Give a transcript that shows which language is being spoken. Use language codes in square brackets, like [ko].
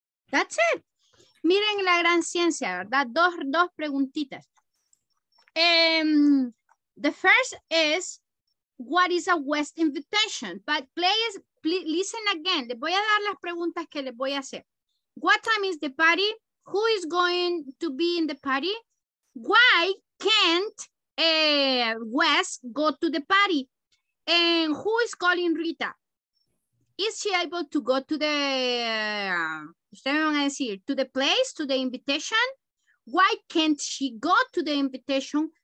[en] That's it. [es] Miren la gran ciencia, ¿verdad? Dos preguntitas. [en] The first is, what is a West invitation? But please listen again. [es] Les voy a dar las preguntas que les voy a hacer. [en] What time is the party? Who is going to be in the party? Why can't West go to the party? And who is calling Rita? Is she able to go to the... [es] ustedes me van a decir, [en] to the place, to the invitation. Why can't she go to the invitation?